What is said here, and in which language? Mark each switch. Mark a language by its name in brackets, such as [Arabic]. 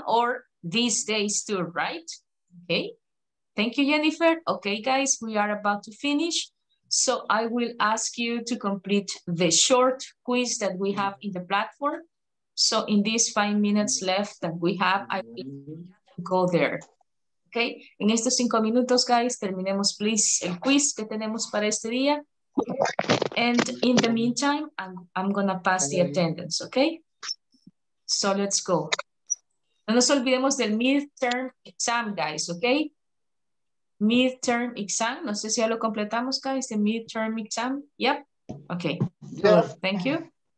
[English] Or these days too, right? Okay, thank you, Jennifer. Okay, guys, we are about to finish. So I will ask you to complete the short quiz that we have in the platform. So in these 5 minutes left that we have, I will go there. [Spanish] Okay, en estos 5 minutos, guys, terminemos, please, el quiz que tenemos para este día. [English] And in the meantime, I'm going to pass the attendance, okay? So let's go. [Spanish] No nos olvidemos del midterm exam, guys, okay? [English] Midterm exam. [Spanish] No sé si ya lo completamos, [English] guys, the midterm exam. Yep. Okay. Yeah. Thank you.